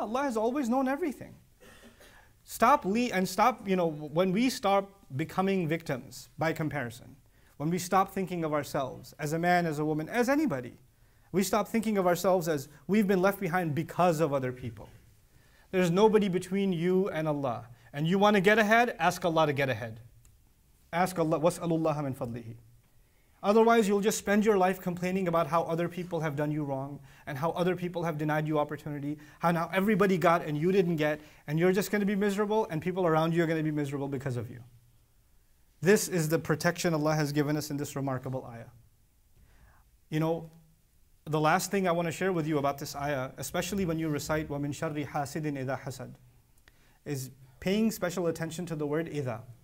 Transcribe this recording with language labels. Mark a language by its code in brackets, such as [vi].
[en] Allah has always known everything. When we stop becoming victims by comparison, when we stop thinking of ourselves as a man, as a woman, as anybody, we stop thinking of ourselves as we've been left behind because of other people. There's nobody between you and Allah. And you want to get ahead, ask Allah to get ahead. Ask Allah, [ar] وَاسْأَلُ اللَّهَ مِنْ فَضْلِهِ. [en] Otherwise, you'll just spend your life complaining about how other people have done you wrong, and how other people have denied you opportunity, how now everybody got and you didn't get, and you're just going to be miserable, and people around you are going to be miserable because of you. This is the protection Allah has given us in this remarkable ayah. You know, the last thing I want to share with you about this ayah, especially when you recite, [ar] وَمِنْ شَرِّ حَاسِدٍ إِذَا حَسَدٍ, [en] is paying special attention to the word idha.